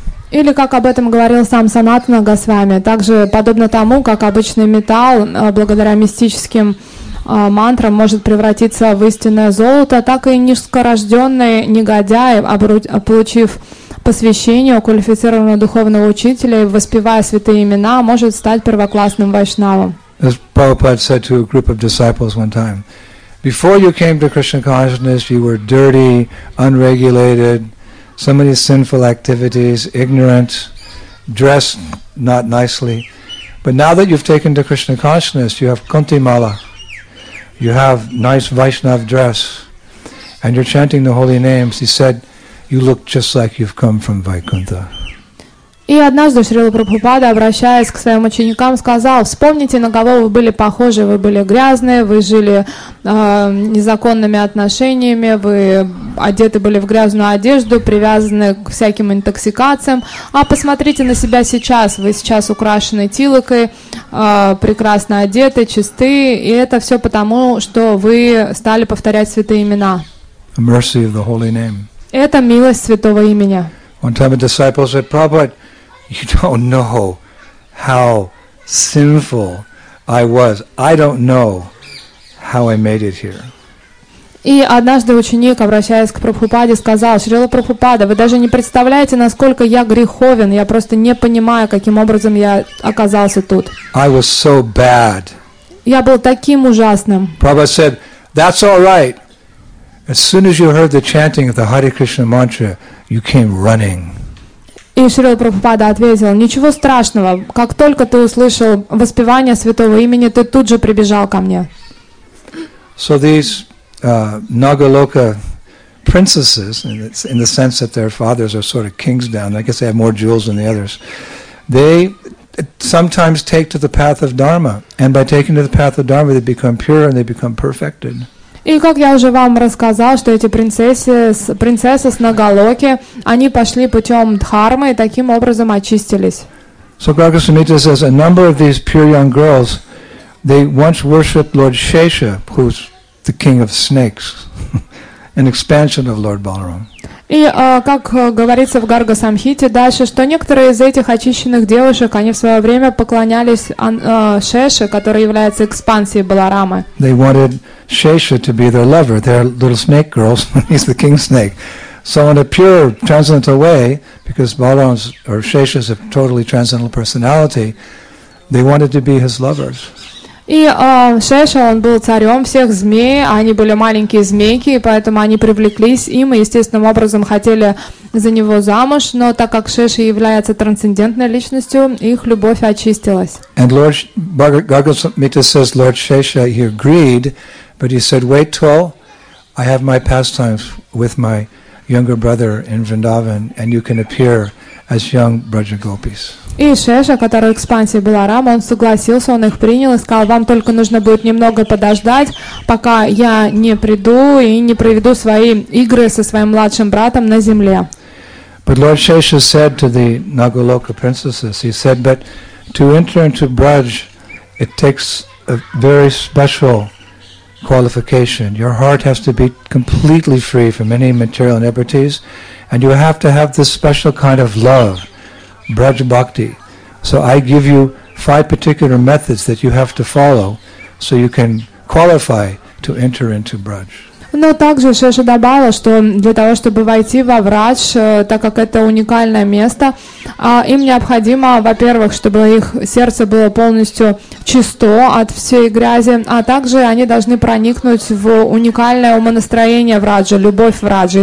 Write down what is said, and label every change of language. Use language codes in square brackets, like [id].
[ru] Или как об этом говорил сам Санатана Госвами, также подобно тому, как обычный металл, благодаря мистическим мантра может превратиться в истинное золото, так и низкорожденный негодяй, получив посвящение у квалифицированного духовного учителя и воспевая святые имена, может стать первоклассным вайшнавом. [en] As Prabhupada said to a group of disciples one time, before you came to Krishna consciousness, you were dirty, unregulated, so many sinful activities, ignorant, dressed not nicely. But now that you've taken to Krishna consciousness, you have Kunti Mala. You have nice Vaishnav dress, and you're chanting the holy names. He said, "You look just like you've come from Vaikuntha." [ru] И однажды Шрила Прабхупада, обращаясь к своим ученикам, сказал: "Вспомните, на кого вы были похожи. Вы были грязные, вы жили незаконными отношениями, вы одеты были в грязную одежду, привязаны к всяким интоксикациям. А посмотрите на себя сейчас. Вы сейчас украшены тилакой, прекрасно одеты, чисты. И это все потому, что вы стали повторять святые имена. [en] Mercy of the holy name. [ru] Это милость святого имени." [en] One time a disciple said, "Prabhupada, you don't know how sinful I was. I don't know how I made it here." [ru] И однажды ученик, обращаясь к Прабхупаде, сказал: "Шрила Прабхупада, вы даже не представляете, насколько я греховен. Я просто не понимаю, каким образом я оказался тут." [en] I was so bad. [ru] Я был таким ужасным. [en] Prabhupada said, "That's all right. As soon as you heard the chanting of the Hare Krishna mantra, you came running." [ru] И Шрила Прабхупада ответил: "Ничего страшного. Как только ты услышал воспевание святого имени, ты тут же прибежал ко мне." [en] So these Nagaloka princesses, and it's in the sense that their fathers are sort of kings down, I guess they have more jewels than the others, they sometimes take to the path of Dharma, and by taking to the path of Dharma, they become pure and they become perfected. [ru] И как я уже вам рассказал, что эти принцессы с Нагалоки, они пошли путем дхармы и таким образом очистились. [en] So Gaura Goswamita says, a number of these pure young girls, they once worshipped Lord Shesha, who's the king of snakes, an expansion of Lord Balaram. [ru] И как говорится в Гарга Самхите дальше, что некоторые из этих очищенных девушек, они в свое время поклонялись Шеше, который является экспансией Баларамы. [en] They wanted Shesha to be their lover. They're little snake girls. He's the king snake. So in a pure transcendental way, because Balaram's or Shesha's a totally transcendental personality, they wanted to be his lovers. [ru] И Шеша, он был царем всех змей, они были маленькие змейки, и поэтому они привлеклись им и естественным образом хотели за него замуж, но так как Шеша является трансцендентной личностью, их любовь очистилась. [en] And Lord Gargamita says Lord Shesha here greed, but he said, "Wait till I have my pastimes with my younger brother in Vrindavan, and you can appear as young Braja Gopis." [ru] И Шеша, который экспансии Баларама, он согласился, он их принял и сказал: "Вам только нужно будет немного подождать, пока я не приду и не проведу свои игры со своим младшим братом на земле." [en] But Lord Shesha said to the Nagaloka princesses, he said, "But to enter into Braj, it takes a very special qualification. Your heart has to be completely free from any material inebrities, and you have to have this special kind of love, Braj Bhakti. So I give you five particular methods that you have to follow so you can qualify to enter into Braj." [ru] Но также Шеша добавила, что для того, чтобы войти во врач, так как это уникальное место, им необходимо, во-первых, чтобы их сердце было полностью чисто от всей грязи, а также они должны проникнуть в уникальное умонастроение враджа, любовь враджа.